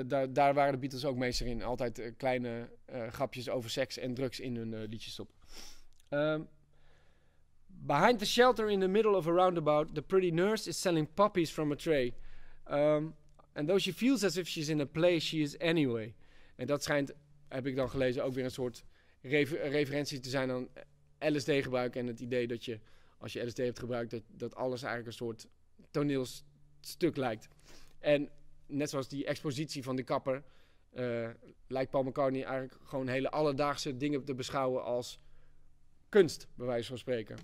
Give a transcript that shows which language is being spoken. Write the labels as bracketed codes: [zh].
[nl] Daar waren de Beatles ook meester in. Altijd kleine grapjes over seks en drugs in hun liedjes op. [en] Behind the shelter in the middle of a roundabout, the pretty nurse is selling puppies from a tray. And though she feels as if she's in a play, she is anyway. [nl] En dat schijnt, heb ik dan gelezen, ook weer een soort referentie te zijn aan LSD gebruiken en het idee dat je, als je LSD hebt gebruikt, dat alles eigenlijk een soort toneelstuk lijkt. En net zoals die expositie van de kapper, lijkt Paul McCartney eigenlijk gewoon hele alledaagse dingen te beschouwen als kunst, bij wijze van spreken.